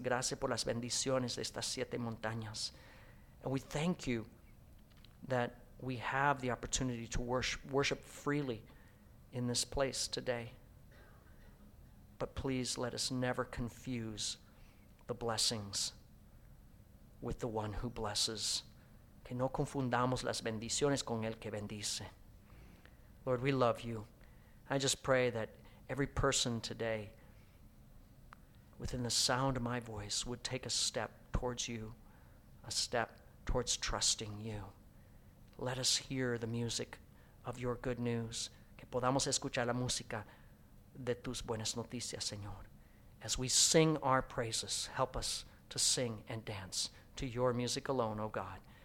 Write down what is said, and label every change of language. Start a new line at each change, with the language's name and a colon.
Spanish: Gracias por las bendiciones de estas siete montañas.
English: And we thank you that we have the opportunity to worship freely in this place today. But please let us never confuse the blessings with the one who blesses.
Spanish: Que no confundamos las bendiciones con el que bendice.
English: Lord, we love you. I just pray that every person today, within the sound of my voice, would take a step towards you, a step towards trusting you. Let us hear the music of your good news.
Spanish: Que podamos escuchar la música de tus buenas noticias, Señor.
English: As we sing our praises, help us to sing and dance to your music alone, O God.